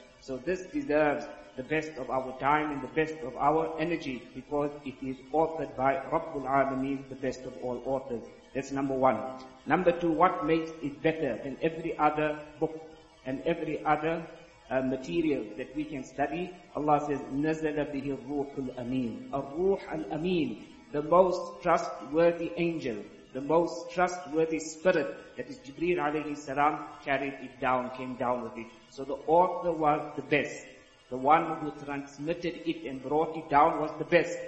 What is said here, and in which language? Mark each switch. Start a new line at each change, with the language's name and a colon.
English: So this deserves the best of our time and the best of our energy, because it is authored by Rabbul Alameen, the best of all authors. That's number one. Number two, what makes it better than every other book and every other material that we can study? Allah says,
Arabic: نَزَلَ بِهِ الرُّوحُ الْأَمِينَ.
English: الرُّوحُ الْأَمِينَ, the most trustworthy angel, the most trustworthy spirit, that is Jibreel alayhi salam, carried it down, came down with it. So the author was the best. The one who transmitted it and brought it down was the best.